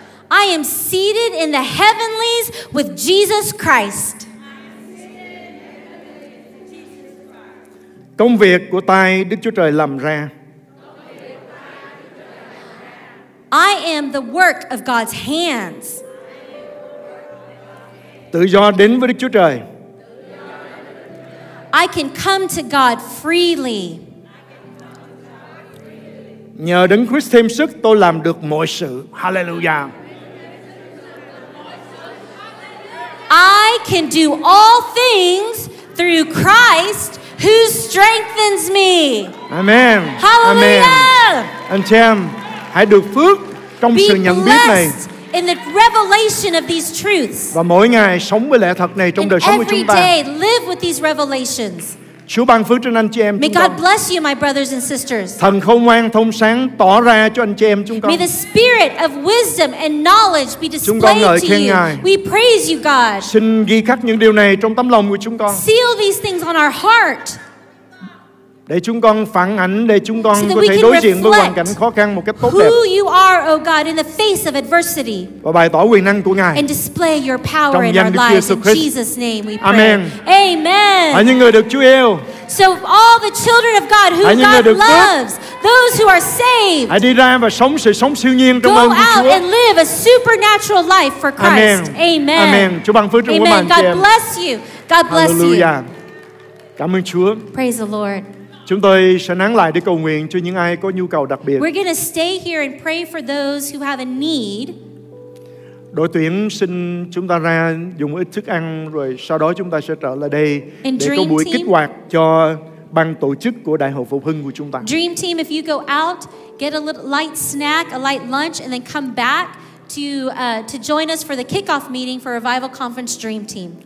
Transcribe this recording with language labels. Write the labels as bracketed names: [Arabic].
[English] I am seated in the heavenlies with Jesus Christ. [Vietnamese] Công việc của tay Đức Chúa Trời làm ra. [English] I am the work of God's hands. [Vietnamese] Tự do đến với Đức Chúa Trời. [English] I can come to God freely. [Vietnamese] Nhờ Đấng Christ thêm sức, tôi làm được mọi sự. [English] Hallelujah. I can do all things through Christ who strengthens me. Amen. Hallelujah. Amen. [Vietnamese] Anh chị em, hãy được phước trong [English] Be [Vietnamese] sự nhận biết này. [English] In the revelation of these truths. [Vietnamese] Và mỗi ngày sống với lẽ thật này trong [English] and [Vietnamese] đời sống của chúng ta. [English] Every day live with these revelations. [Vietnamese] Chúa ban phước trên anh chị em. [English] May God bless you, my brothers and sisters. [Vietnamese] Thần khôn ngoan thông sáng tỏ ra cho anh chị em chúng con. [English] May the spirit of wisdom and knowledge be displayed [Vietnamese] chúng con ngợi khen Ngài. [English] We praise you, God. [Vietnamese] Xin ghi khắc những điều này trong tấm lòng của chúng con. [English] Seal these things on our heart. [Vietnamese] Để chúng con phản ảnh, để chúng con có thể đối diện với hoàn cảnh khó khăn một cách tốt đẹp. [English] Who you are, O God, in the face of adversity. [Vietnamese] Và bày tỏ quyền năng của Ngài. [English] And display your power in our lives. In Jesus' name we pray. Amen. Amen. [Vietnamese] Hãy những người được Chúa yêu. [English] So all the children of God who God loves, those who are saved. [Vietnamese] Hãy đi ra và sống sự sống siêu nhiên trong ơn Chúa. [English] Go out and live a supernatural life for Christ. Amen. Amen. Amen. [Vietnamese] Chúa ban phước cho mọi người. [English] Amen. God bless you. God bless you. [Vietnamese] Hallelujah. Cảm ơn Chúa. [English] Praise the Lord. [Vietnamese] Chúng tôi sẽ nán lại để cầu nguyện cho những ai có nhu cầu đặc biệt. [English] We're going to stay here and pray for those who have a need. [Vietnamese] Đội tuyển xin chúng ta ra dùng ít thức ăn rồi sau đó chúng ta sẽ trở lại đây [English] and [Vietnamese] để có buổi kích hoạt cho ban tổ chức của Đại hội Phục Hưng của chúng ta. [English] Dream team, if you go out, get a little light snack, a light lunch and then come back to join us for the kickoff meeting for Revival Conference Dream Team.